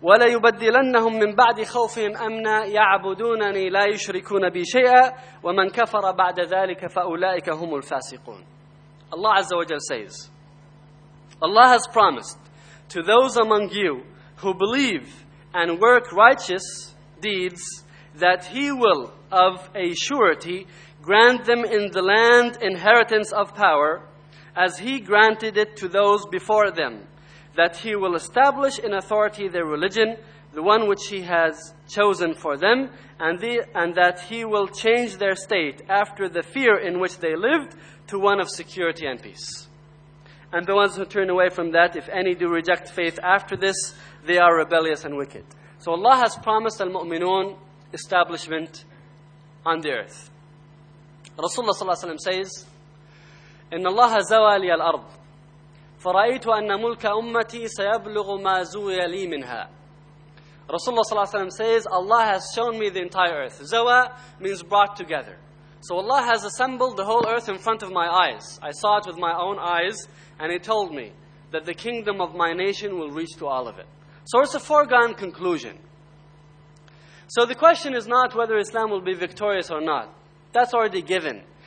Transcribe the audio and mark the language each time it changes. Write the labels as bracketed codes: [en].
[ar] ولا يبدلنهم من بعد خوفهم أمنا يعبدونني لا يشركون بي شيئا ومن كفر بعد ذلك فأولئك هم الفاسقون. [en] Allah Azza wa Jalla says, Allah has promised to those among you who believe and work righteous deeds that He will of a surety grant them in the land inheritance of power as He granted it to those before them, that He will establish in authority their religion, the one which He has chosen for them, and that He will change their state after the fear in which they lived to one of security and peace. And the ones who turn away from that, if any do reject faith after this, they are rebellious and wicked. So Allah has promised al-mu'minun establishment on the earth. [ar] Rasulullah sallallahu alayhi wa sallam says, إِنَّ اللَّهَ زَوَى لِيَ الْأَرْضِ فَرَأَيْتُ أَنَّ مُلْكَ أُمَّتِي سَيَبْلُغُ مَا زُوِيَ لِي مِنْهَا. [en] Rasulullah sallallahu alayhi wa sallam says, Allah has shown me the entire earth. Zawa means brought together. So Allah has assembled the whole earth in front of my eyes. I saw it with my own eyes, and He told me that the kingdom of my nation will reach to all of it. So it's a foregone conclusion. So the question is not whether Islam will be victorious or not. That's already given.